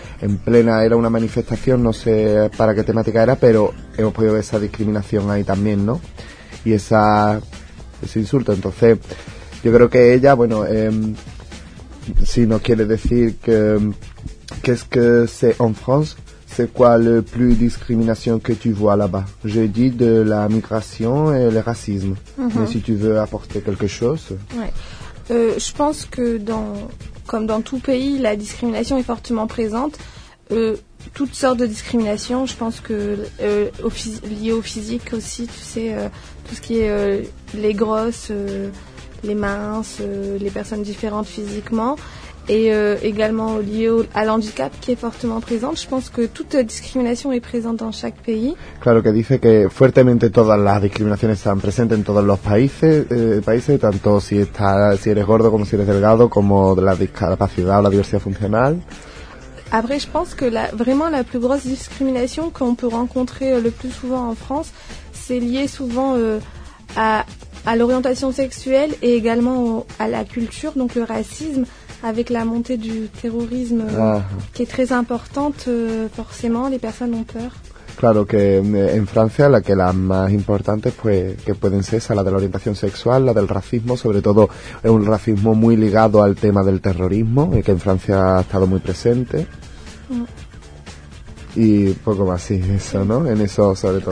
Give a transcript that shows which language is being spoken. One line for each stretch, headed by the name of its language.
Spanish: En plena era una manifestación, no sé para qué temática era, pero hemos podido ver esa discriminación ahí también, ¿no? Y ese insulto. Entonces, yo creo que ella, bueno, si nos quiere decir que es que se en France.
French: C'est quoi le plus discrimination que tu vois là-bas? J'ai dit de la migration et le racisme. Mm-hmm. Mais si tu veux apporter quelque chose. Ouais. Je pense que comme dans tout pays, la discrimination est fortement présente. Toutes sortes de discriminations, je pense que liées au physique aussi, tu sais, tout ce qui est les grosses, les minces, les personnes différentes physiquement. Et également lié à l'handicap qui est fortement présente. Je pense que toute discrimination est présente dans chaque pays.
Spanish: Claro que dice que fuertemente todas las discriminaciones están presentes en todos los países, tanto si eres gordo como si eres delgado, como de la discapacidad o la diversidad funcional.
French: Après, je pense que vraiment la plus grosse discrimination qu'on peut rencontrer le plus souvent en France, c'est lié souvent à l'orientation sexuelle et également à la culture, donc le racisme. Avec la montée du terrorisme qui est très importante, forcément, les personnes ont peur.
Spanish: Claro, que en Francia la que las más importantes pues que pueden ser esa, la de la orientación sexual, la del racismo, sobre todo es un racismo muy ligado al tema del terrorismo, y que en Francia ha estado muy presente. Y poco más, sí, eso, ¿no? En eso, sobre todo.